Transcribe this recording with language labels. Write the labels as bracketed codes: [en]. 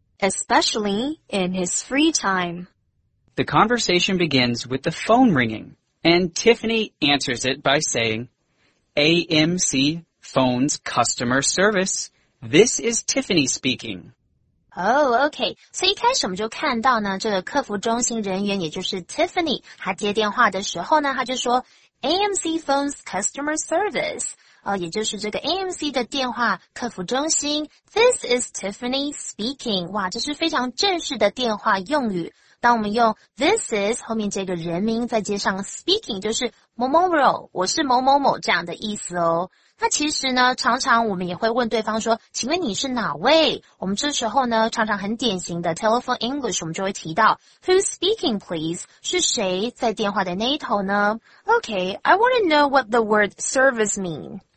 [en] especially in his free time. The conversation begins with the phone ringing, and Tiffany answers it by saying, AMC Phones Customer Service. This is Tiffany speaking. Oh, okay. [zh] 所以一开始我们就看到呢，这个客服中心人员，也就是 Tiffany, 她接电话的时候呢，她就说 AMC Phones Customer Service. 也就是这个 AMC 的电话客服中心 [en] This is Tiffany speaking [zh] 哇这是非常正式的电话用语当我们用 This is 后面这个人名再接上 speaking 就是某某某我是某某某这样的意思哦那其实呢常常我们也会问对方说请问你是哪位我们这时候呢常常很典型的 telephone English 我们就会提到 [en] Who's speaking please? [zh] 是谁在电话的那一头呢 [en] Okay, I want to know what the word service means.